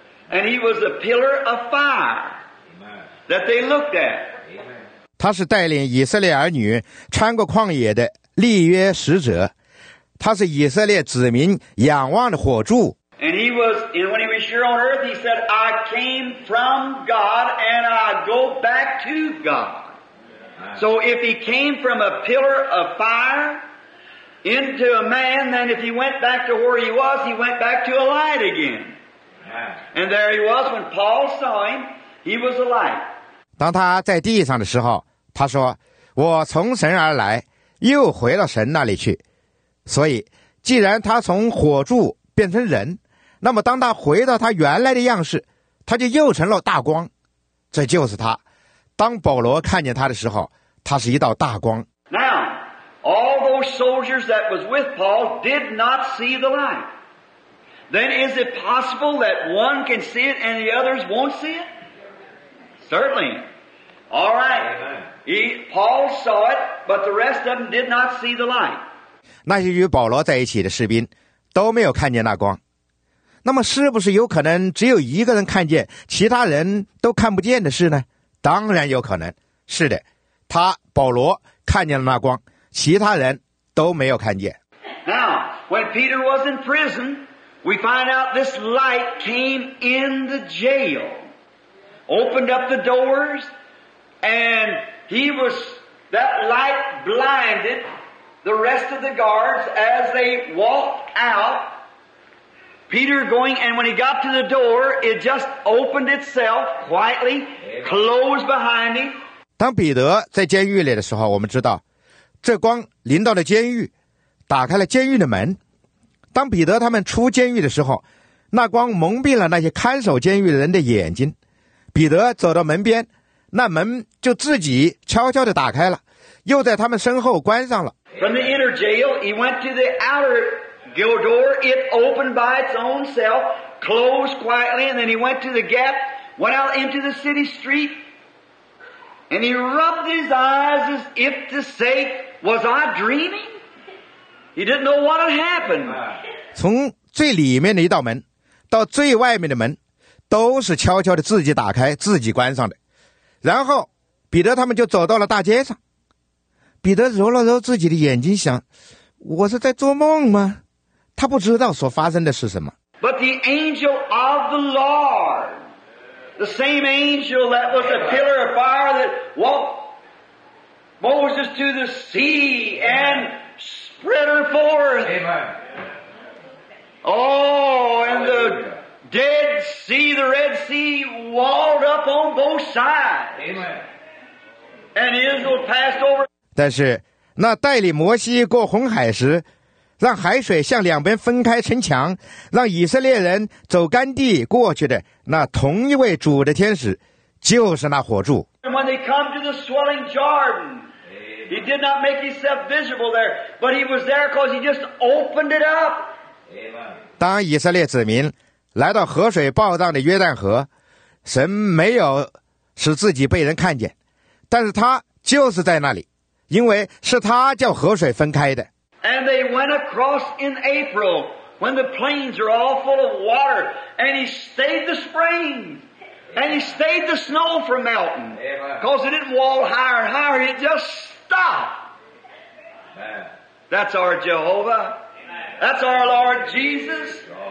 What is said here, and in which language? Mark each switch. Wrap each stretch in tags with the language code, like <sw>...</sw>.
<en>And he was a pillar of fire. That they looked at.</en> <zh>他是带领以色列儿女穿过旷野的立约使者，他是以色列子民仰望的火柱。</zh> <en>And he was, and when he was here on earth, he said, "I came from God, and I go back to God." So if he came from a pillar of fire into a man, then if he went back to where he went back to a light again. And there he was when Paul saw him; he was a light.</en> <zh>当他在地上的时候，他说：“我从神而来，又回到神那里去。” 所以，既然他从火柱变成人，那么当他回到他原来的样式，他就又成了大光。这就是他。当保罗看见他的时候，他是一道大光。</zh> <en>Now, all those soldiers that was with Paul did not see the light. Then is it possible that one can see it and the others won't see it? Certainly. All right. Paul saw it, but the rest of them did not see the light.</en> <zh>那些与保罗在一起的士兵都没有看见那光。那么是不是有可能只有一个人看见，其他人都看不见的事呢？当然有可能。是的，他保罗看见了那光，其他人都没有看见。</zh> <en>Now, when Peter was in prison, we find out this light came in the jail, opened up the doors, and that light blinded the rest of the guards as they walked out. Peter going, and when he got to the door, it just opened itself quietly, closed behind him.</en> <zh>当彼得在监狱里的时候，我们知道，这光临到了监狱，打开了监狱的门。当彼得他们出监狱的时候，那光蒙蔽了那些看守监狱的人的眼睛。彼得走到门边，那门就自己悄悄地打开了，又在他们身后关上了。</zh> <en>From the inner jail, he went to the outer jail door. It opened by its own self, closed quietly, and then he went to the gap, went out into the city street, and he rubbed his eyes as if to say, "Was I dreaming?" He didn't know what had happened.</en> <zh>从最里面的一道门到最外面的门，都是悄悄地自己打开、自己关上的。然后彼得他们就走到了大街上。彼得揉了揉自己的眼睛，想，我是在做梦吗？他不知道所发生的是什么。</zh> <en>But the angel of the Lord, the same angel that was a pillar of fire that walked Moses to the sea and spread her forth. Amen. Oh, and the Dead Sea, the Red Sea, walled up on both sides. Amen. And Israel passed over.</en> <zh>但是那带领摩西过红海时，让海水向两边分开成墙，让以色列人走干地过去的那同一位主的天使，就是那火柱。</zh> <en>And when they come to the swelling Jordan, he did not make himself visible there, but he was there because he just opened it up. Amen.</en> <zh>当以色列子民来到河水暴涨的约旦河，神没有使自己被人看见，但是他就是在那里，因为是他叫河水分开的。</zh> <en>And they went across in April when the plains are all full of water, and he stayed the spring, and he stayed the snow from melting, because it didn't wall higher and higher, it just stopped. That's our Jehovah. That's our Lord Jesus.</en>